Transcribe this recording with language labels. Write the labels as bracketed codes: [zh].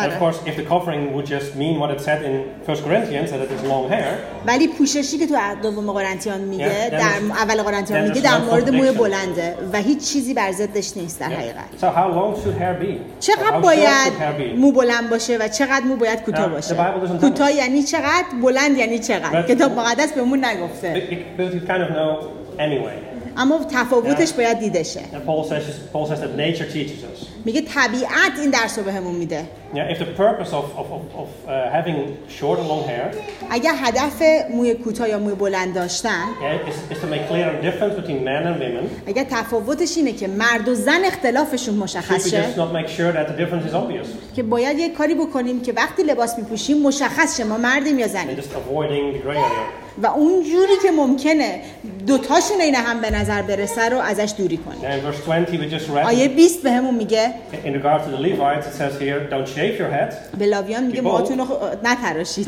[en] آره. Of course, if the covering would just mean what it said in 1 Corinthians that it is long hair. [fa] ولی پوششی که تو دوم قرنتیان میگه در اول قرنتیان میگه در مورد موی بلنده و هیچ چیزی بر ضدش نیست در حقیقت. [en] So how long should hair be? [fa] چقدر باید مو بلند باشه و چقدر مو باید کوتاه باشه؟ کوتاه یعنی چقدر، بلند یعنی چقدر؟ کتاب مقدس بهمون نگفته. [en] You kind of know anyway. [fa] اما تفاوتش باید دیده شه. [en] Paul says that nature teaches us. [fa] میگه طبیعت این درس رو بهمون میده. [en] Yeah, if the purpose of having short and long hair. [fa] اگه هدف موی کوتاه یا موی بلند داشتن. [en] Yeah, is to make clear the difference between men and women. [fa] اگه تفاوتش اینه که مرد و زن اختلافشون مشخص شه. [en] Should we just not make sure that the difference is obvious? [fa] که باید یه کاری بکنیم که وقتی لباس میپوشیم مشخص شه ما مردیم یا زنیم. [en] Just avoiding the gray area. [fa] و اون جوری که ممکنه دوتاشون این هم به نظر برسه رو ازش دوری کنه. [en] Yeah, verse 20 we just read. [fa] آیه 20 بهمون میگه. [en] In regard to the Levites, it says here, don't shave your head. [fa] به لاویان میگه موهاتون رو نتراشید.